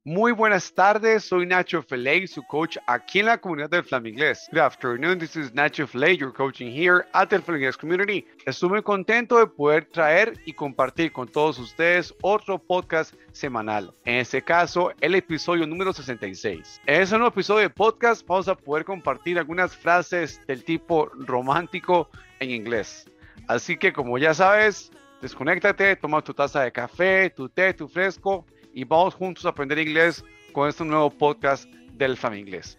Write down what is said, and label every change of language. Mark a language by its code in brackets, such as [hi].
[es] Muy buenas tardes, soy Nacho Filet, su coach aquí en la comunidad del Flamingles. [en] Good afternoon, this is Nacho Filet, your coaching here at the Flamingles Community. [es] Estoy muy contento de poder traer y compartir con todos ustedes otro podcast semanal. En este caso, el episodio número 66. En este nuevo episodio de podcast vamos a poder compartir algunas frases del tipo romántico en inglés. Así que como ya sabes, desconéctate, toma tu taza de café, tu té, tu fresco, y vamos juntos a aprender inglés con este nuevo podcast del Flaminglés.